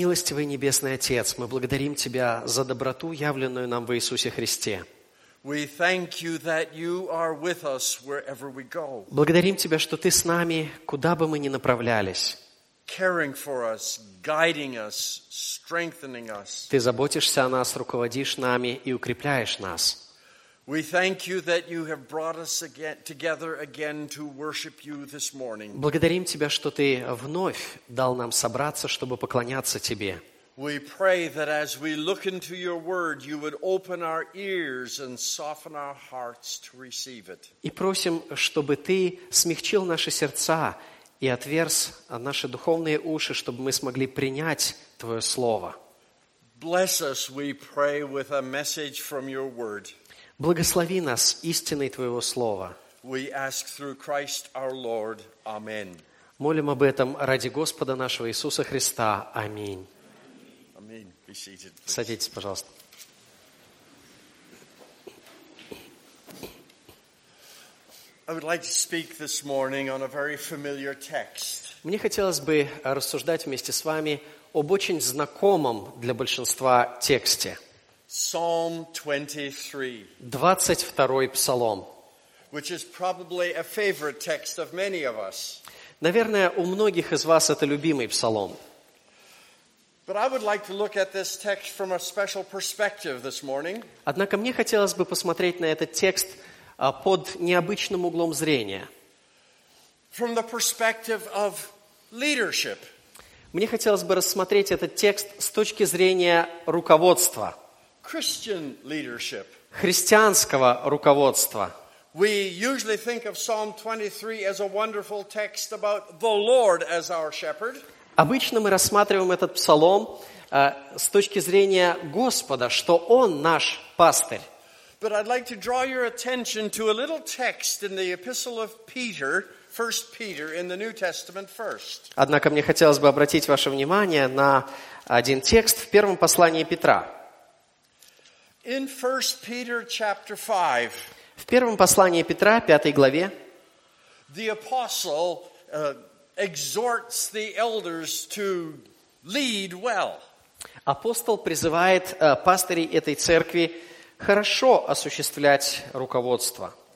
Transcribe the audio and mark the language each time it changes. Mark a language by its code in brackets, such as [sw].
[ru] Милостивый небесный Отец, мы благодарим тебя за доброту, явленную нам в Иисусе Христе. [en] We thank you that you are with us wherever we go. [ru] Благодарим тебя, что ты с нами, куда бы мы ни направлялись. [en] Caring for us, guiding us, strengthening us. [ru] Ты заботишься о нас, руководишь нами и укрепляешь нас. [en] We thank you that you have brought us again, together again to worship you this morning. [ru] Благодарим тебя, что ты вновь дал нам собраться, чтобы поклоняться тебе. [en] We pray that as we look into your word, you would open our ears and soften our hearts to receive it. [ru] И просим, чтобы ты смягчил наши сердца и отверз наши духовные уши, чтобы мы смогли принять твое слово. [en] Bless us, we pray, with a message from your word. [ru] Благослови нас истиной Твоего Слова. [en] We ask through Christ our Lord. Amen. [ru] Молим об этом ради Господа нашего Иисуса Христа. Аминь. [en] Amen. Be seated, please. [ru] Садитесь, пожалуйста. [en] I would like to speak this morning on a very familiar text. [ru] Мне хотелось бы рассуждать вместе с вами об очень знакомом для большинства тексте. [en] Psalm 23. [ru] 22-й псалом. [en] Which is probably a favorite text of many of us. [ru] Наверное, у многих из вас это любимый псалом. [en] But I would like to look at this text from a special perspective this morning. [ru] Однако мне хотелось бы посмотреть на этот текст под необычным углом зрения. [en] From the perspective of leadership. [ru] Мне хотелось бы рассмотреть этот текст с точки зрения руководства. [en] Christian leadership. [ru] Христианского руководства. [en] We usually think of Psalm 23 as a wonderful text about the Lord as our shepherd. [ru] Обычно мы рассматриваем этот псалом с точки зрения Господа, что Он наш пастырь. [en] But I'd like to draw your attention to a little text in the Epistle of Peter, 1 Peter in the New Testament first. [ru] Однако мне хотелось бы обратить ваше внимание на один текст в первом послании Петра. [en] In 1 Peter chapter 5. [ru] В первом послании Петра, 5 главе, [en] the apostle exhorts the elders to lead well. [ru] Апостол призывает пастырей этой церкви хорошо осуществлять руководство.